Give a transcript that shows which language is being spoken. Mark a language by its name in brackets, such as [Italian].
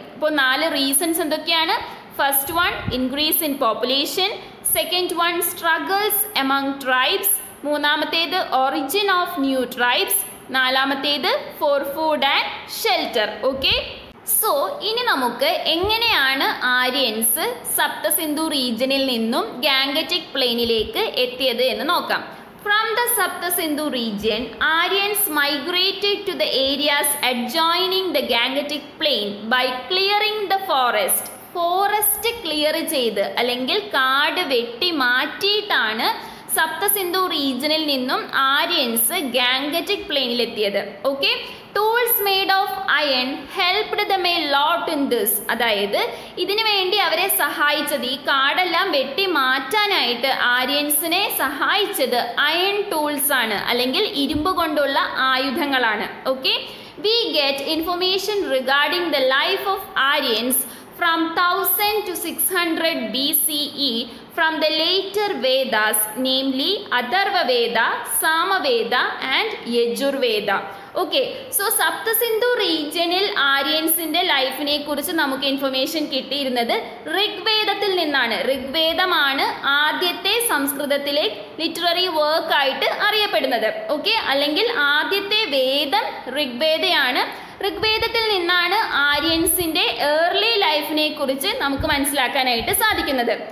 [Malayalam] ഇപ്പോൾ നാല് റീസൺസ് എന്തൊക്കെയാണ്? [English] First one increase in population, second one struggles among tribes, മൂന്നാമത്തേത് origin of new tribes, നാലാമത്തേത് for food and shelter. Okay. [Malayalam] So ഇനി നമുക്ക് എങ്ങനെയാണ് ആര്യൻസ് സപ്തസിന്ധു റീജിയനിൽ നിന്നും ഗാംഗറ്റിക് പ്ലെയിനിലേക്ക് എത്തിയത് എന്ന് നോക്കാം. [English] From the Saptasindhu region, Aryans migrated to the areas adjoining the Gangetic Plain by clearing the forest. [Malayalam] Forest clear ചെയ്ത് അല്ലെങ്കിൽ കാട് വെട്ടി മാറ്റിയിട്ടാണ് സപ്തസിന്ധു റീജിയനിൽ നിന്നും ആര്യൻസ് ഗാംഗറ്റിക് പ്ലെയിനിൽ എത്തിയത്. Okay. [English] Tools made of iron helped them a lot in this. [Malayalam] അതായത് ഇതിനു വേണ്ടി അവരെ സഹായിച്ചത്, ഈ കാടെല്ലാം വെട്ടി മാറ്റാനായിട്ട് ആര്യൻസിനെ സഹായിച്ചത് അയൺ ടൂൾസ് ആണ്, അല്ലെങ്കിൽ ഇരുമ്പ് കൊണ്ടുള്ള ആയുധങ്ങളാണ്. Okay. [English] We get information regarding the life of Aryans from 1000 to 600 BCE from the later Vedas, namely Atharvaveda, Samaveda and Yajurveda. Okay. [Malayalam] So Sapta Sindhu റീജിയനിൽ ആര്യൻസിൻ്റെ ലൈഫിനെ കുറിച്ച് നമുക്ക് ഇൻഫർമേഷൻ കിട്ടിയിരുന്നത് ഋഗ്വേദത്തിൽ നിന്നാണ്. ഋഗ്വേദമാണ് ആദ്യത്തെ സംസ്കൃതത്തിലെ ലിറ്റററി വർക്ക് ആയിട്ട് അറിയപ്പെടുന്നത്. ഓക്കെ. അല്ലെങ്കിൽ ആദ്യത്തെ വേദം ഋഗ്വേദയാണ്. ഋഗ്വേദത്തിൽ നിന്നാണ് ആര്യൻസിൻ്റെ ഏർലി ലൈഫിനെ കുറിച്ച് നമുക്ക് മനസ്സിലാക്കാനായിട്ട് സാധിക്കുന്നത്.